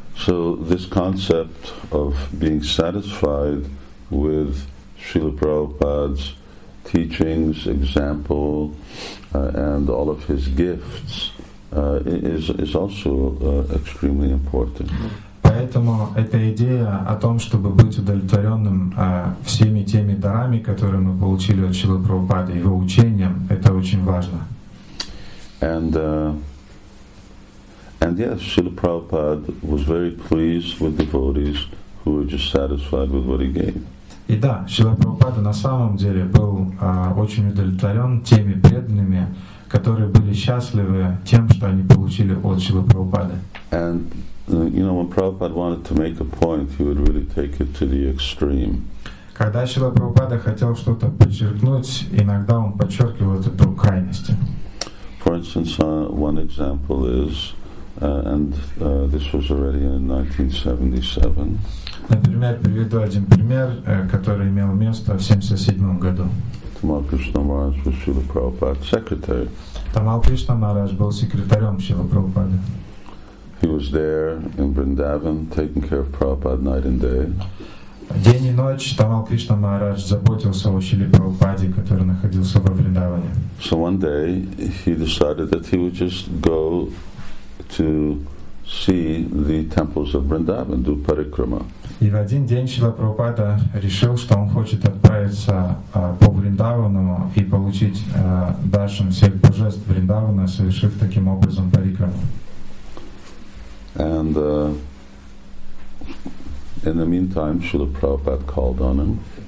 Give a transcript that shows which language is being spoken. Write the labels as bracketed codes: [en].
[en] So this concept of being satisfied with Srila Prabhupada's teachings, example, and all of his gifts is also extremely important. [ru] Поэтому эта идея о том, чтобы быть удовлетворенным всеми теми дарами, которые мы получили от Шрилы Прабхупады, его учением, это очень важно. [en] And yes, Srila Prabhupada was very pleased with devotees who were just satisfied with what he gave. [ru] И да, Шрила Прабхупада на самом деле был очень удовлетворен теми преданными, которые были счастливы тем, что они получили от Шрилы Прабхупады. [en] And you know, when Prabhupada wanted to make a point, he would really take it to the extreme. [ru] Когда Шрила Прабхупада хотел что-то подчеркнуть, иногда он подчеркивал это до крайности. [en] For instance, one example is, this was already in 1977. [ru] Например, приведу один пример, который имел место в 77 году. [en] Tamal Krishna Maharaj was Srila Prabhupada's secretary. [ru] Tamal Krishna Maharaj был секретарем Шрилы Прабхупады. [en] He was there in Vrindavan, taking care of Prabhupada night and day. [ru] День и ночь Тамал Кришна Махарадж заботился о Шриле Прабхупаде, который находился во Вриндаване. [en] So one day he decided that he would just go to see the temples of Vrindavan, do parikrama. [ru] И в один день Шрила Прабхупада решил, что он хочет отправиться по Вриндавану и получить даршан всех божеств Вриндавана, совершив таким образом парикраму. [en] And in the meantime, Srila Prabhupada called on him.